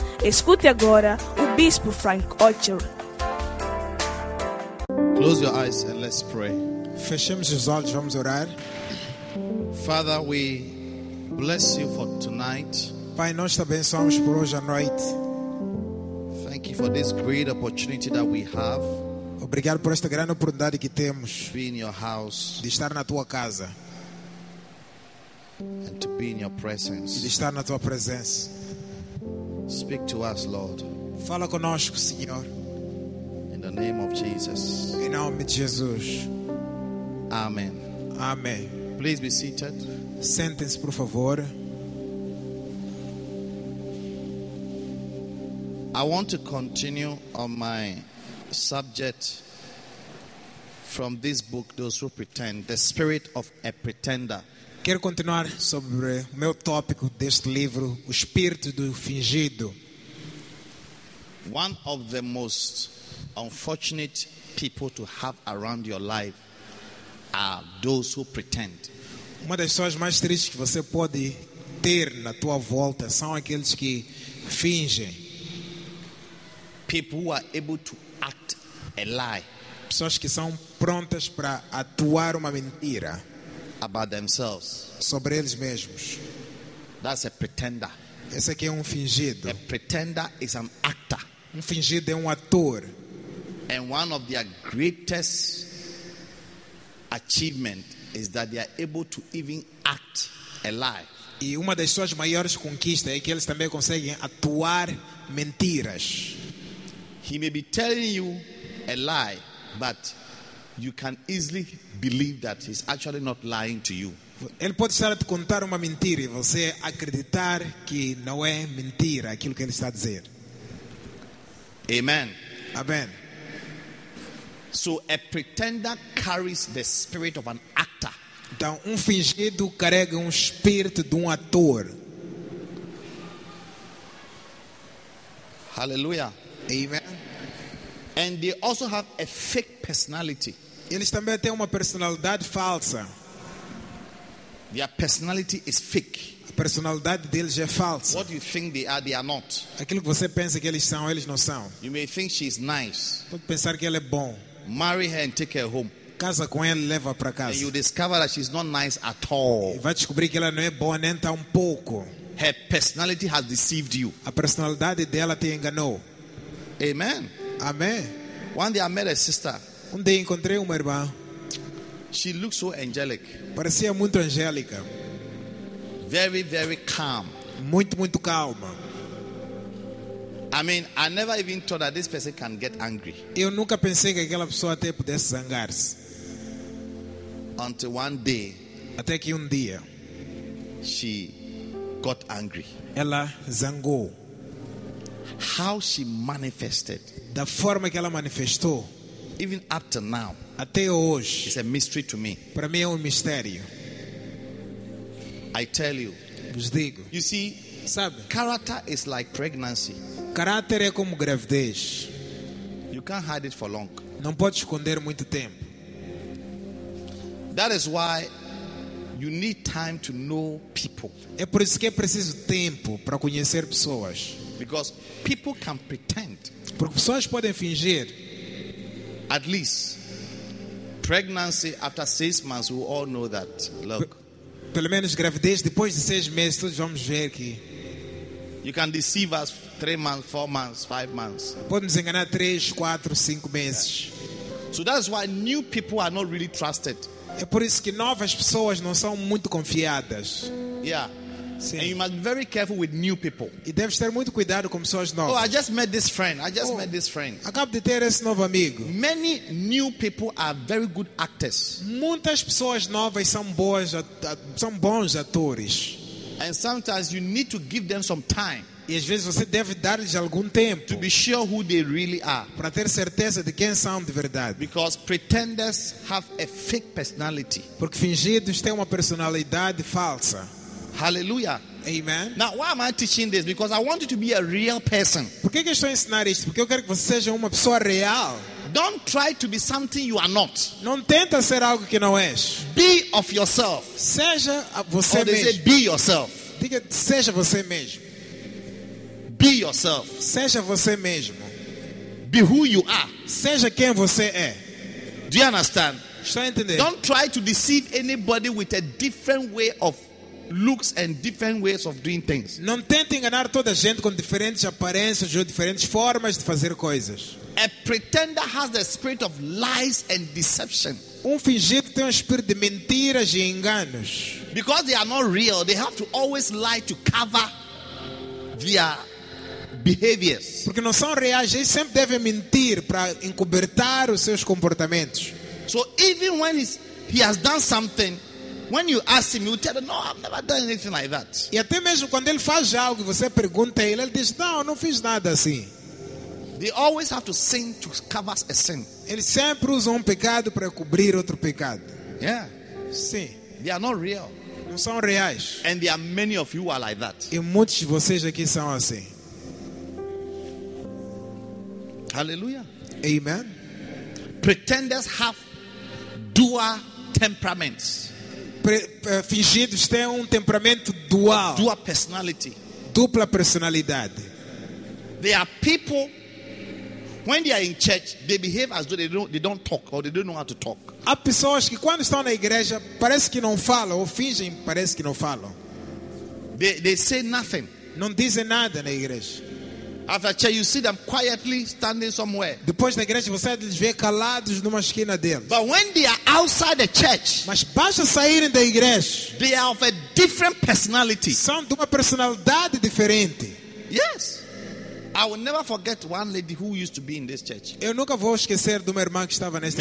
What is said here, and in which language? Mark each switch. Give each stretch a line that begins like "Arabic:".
Portuguese: Escute agora o Bispo Frank Ochery.
English: Close your eyes and let's pray.
Portuguese: Fechemos os olhos, vamos orar.
English: Father, we bless you for tonight.
Portuguese: Pai, nós te abençoamos por hoje à noite.
English: Thank you for this great opportunity that we have.
Portuguese: Obrigado por esta grande oportunidade que temos
English: be in your house,
Portuguese: de estar na tua casa
English: and to be in your presence.
Portuguese: E de estar na tua presença.
English: Speak to us, Lord.
Portuguese: Fala conosco, Senhor.
English: In the name of Jesus.
Portuguese: Em nome de Jesus.
English: Amen.
Portuguese: Amen.
English: Please be seated.
Portuguese: Sentem-se, por favor.
English: I want to continue on my subject from this book, Those Who Pretend, The Spirit of a Pretender.
Portuguese: Quero continuar sobre o meu tópico deste livro, O Espírito do Fingido.
English: One of the most unfortunate people to have around your life are those who pretend.
Portuguese: Uma das pessoas mais tristes que você pode ter na tua volta são aqueles que fingem.
English: People who are able to act a lie.
Portuguese: Pessoas que são prontas para atuar uma mentira
English: about themselves.
Portuguese: Sobre eles mesmos.
English: That's a pretender.
Portuguese: Esse aqui é um fingido.
English: A pretender is an actor.
Portuguese: Um fingido é um ator.
English: And one of their greatest achievements is that they are able to even act a lie.
Portuguese: E uma das suas maiores conquistas é que eles também conseguem atuar mentiras.
English: He may be telling you a lie, but you can easily believe that he's actually not lying to you.
Portuguese: Ele pode estar a te contar uma mentira e você acreditar que não é mentira aquilo que ele está a dizer.
English: Amen.
Portuguese: Amen.
English: So a pretender carries the spirit of an actor.
Portuguese: Então fingido carrega espírito de ator.
English: Hallelujah.
Portuguese: Amen.
English: And they also have a fake personality.
Portuguese: Eles também têm uma personalidade falsa.
English: Their personality is fake.
Portuguese: A personalidade deles é falsa.
English: What do you think they are not?
Portuguese: Aquilo que você pensa que eles não são.
English: You may think she is nice.
Portuguese: Pode pensar que ela é bom.
English: Marry her and take her home.
Portuguese: Casa com ela, leva para casa.
English: And you discover that she's not nice at all.
Portuguese: E vai descobrir que ela não é boa nem tão pouco.
English: Her personality has deceived you.
Portuguese: A personalidade dela te enganou.
English: Amen.
Portuguese: Amen.
English: One day I met a sister.
Portuguese: Um dia encontrei uma irmã.
English: She looked so angelic.
Portuguese: Parecia muito angélica.
English: Very, very calm.
Portuguese: Muito, muito calma.
English: I mean, I never even thought that this person can get angry.
Portuguese: Eu nunca pensei que aquela pessoa até pudesse zangar-se.
English: Until one day,
Portuguese: até que dia,
English: she got angry.
Portuguese: Ela zangou.
English: How she manifested?
Portuguese: Da forma que ela manifestou.
English: Even up to now,
Portuguese: até hoje,
English: it's a mystery to me.
Portuguese: Para mim é mistério.
English: I tell you,
Portuguese: vos digo.
English: You see,
Portuguese: sabe?
English: Character is like pregnancy.
Portuguese: Caráter é como gravidez.
English: You can't hide it for long.
Portuguese: Não pode esconder muito tempo.
English: That is why you need time to know people.
Portuguese: É por isso que é preciso tempo para conhecer pessoas.
English: Because people can pretend.
Portuguese: Porque pessoas podem fingir.
English: At least pregnancy after 6 months, we all know that. Look.
Portuguese: Pelo menos gravidez depois de 6 meses, todos vamos ver que
English: you can deceive us 3 months, 4 months, 5 months.
Portuguese: Podemos enganar 3, 4, 5 meses.
English: Yeah. So that's why new people are not really trusted.
Portuguese: É por isso que novas pessoas não são muito confiadas.
English: Yeah.
Portuguese: Sim.
English: And you must be very careful with new people.
Portuguese: E deves ter muito cuidado com pessoas novas.
English: Oh, I just met this friend.
Portuguese: Acabo de ter esse novo amigo.
English: Many new people are very good actors.
Portuguese: Muitas pessoas novas são bons atores.
English: And sometimes you need to give them some time.
Portuguese: E às vezes você deve dar-lhes algum tempo
English: to be sure who they really are.
Portuguese: Para ter certeza de quem são de verdade.
English: Because pretenders have a fake personality.
Portuguese: Porque fingidos têm uma personalidade falsa.
English: Hallelujah.
Portuguese: Amen.
English: Now, why am I teaching this? Because I want you to be a real person.
Portuguese: Por que eu estou a ensinar isto? Porque eu quero que você seja uma pessoa real.
English: Don't try to be something you are not.
Portuguese: Não tenta ser algo que não és.
English: Be of yourself.
Portuguese: Seja você mesmo.
English: Or they say, be yourself.
Portuguese: Diga, seja você mesmo.
English: Be yourself.
Portuguese: Seja você mesmo.
English: Be who you are.
Portuguese: Seja quem você é.
English: Do you understand?
Portuguese: Estou a entender.
English: Don't try to deceive anybody with a different way of looks and different ways of doing things.
Portuguese: Não tente enganar toda a gente com diferentes aparências ou diferentes formas de fazer coisas.
English: A pretender has the spirit of lies and deception.
Portuguese: Fingido tem um espírito de mentiras e enganos.
English: Because they are not real, they have to always lie to cover their behaviors.
Portuguese: Porque não são reais, eles sempre devem mentir para encobertar os seus comportamentos.
English: So even when he has done something, when you ask him, you tell him, no, I've never done anything like that.
Portuguese: E até mesmo quando ele faz algo, você pergunta a ele, ele diz, não, não fiz nada assim.
English: They always have to sin to cover a sin.
Portuguese: Eles sempre usam pecado para cobrir outro pecado.
English: Yeah.
Portuguese: Sim.
English: They are not real.
Portuguese: Não são reais.
English: And there are many of you who are like that.
Portuguese: E muitos de vocês aqui são assim.
English: Hallelujah.
Portuguese: Amen.
English: Pretenders have dual temperaments.
Portuguese: Fingidos têm temperamento dual.
English: Dual personality.
Portuguese: Dupla personalidade.
English: There are people, when they are in church, they behave as though they don't talk or they don't know how to talk.
Portuguese: Há pessoas que quando estão na igreja parece que não falam ou fingem parece que não falam.
English: They say nothing.
Portuguese: Não dizem nada na igreja.
English: After church, you see them quietly standing somewhere.
Portuguese: Depois da igreja, você os vê calados numa esquina deles.
English: But when they are outside the church,
Portuguese: mas basta saírem da igreja,
English: they are of a different personality.
Portuguese: São de uma personalidade diferente.
English: Yes. I will never forget one lady who used to be in this church.
Portuguese: Eu nunca vou esquecer de uma irmã que estava nesta